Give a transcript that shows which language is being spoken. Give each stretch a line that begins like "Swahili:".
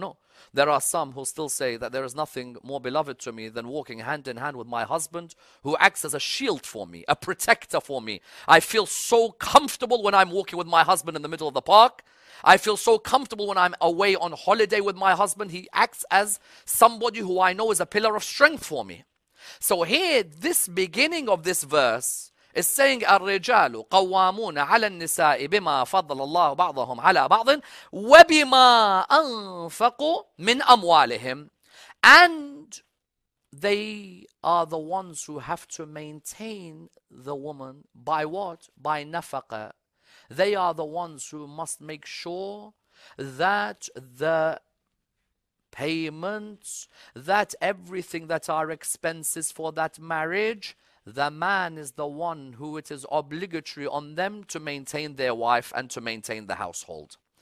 English: No, there are some who still say that there is nothing more beloved to me than walking hand in hand with my husband, who acts as a shield for me, a protector for me. I feel so comfortable when I'm walking with my husband in the middle of the park. I feel so comfortable when I'm away on holiday with my husband. He acts as somebody who I know is a pillar of strength for me. So here, this beginning of this verse is saying,
Arabic: الرجال قوامون على النساء بما فضل الله بعضهم على بعض وبما أنفقوا من أموالهم.
English: And they are the ones who have to maintain the woman by what? By نفقة. They are the ones who must make sure that the payments, that everything, that are expenses for that marriage, the man is the one who it is obligatory on them to maintain their wife and to maintain the household.